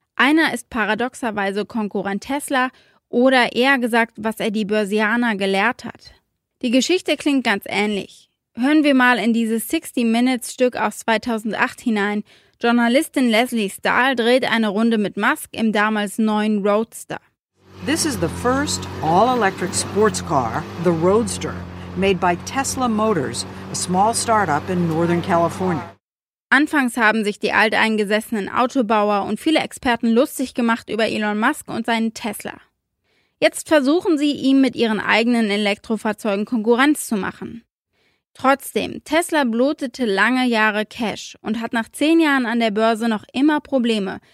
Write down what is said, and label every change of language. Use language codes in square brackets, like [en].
[de] Einer ist paradoxerweise Konkurrent Tesla oder eher gesagt, was er die Börsianer gelehrt hat. Die Geschichte klingt ganz ähnlich. Hören wir mal in dieses 60 Minutes Stück aus 2008 hinein. Journalistin Leslie Stahl dreht eine Runde mit Musk im damals neuen Roadster. [en] This is the first all-electric sports car, the Roadster, made by Tesla Motors, a small startup in Northern California. [de] Anfangs haben sich die alteingesessenen Autobauer und viele Experten lustig gemacht über Elon Musk und seinen Tesla. Jetzt versuchen sie, ihm mit ihren eigenen Elektrofahrzeugen Konkurrenz zu machen. Trotzdem, Tesla blutete lange Jahre Cash und hat nach 10 Jahren an der Börse noch immer Probleme.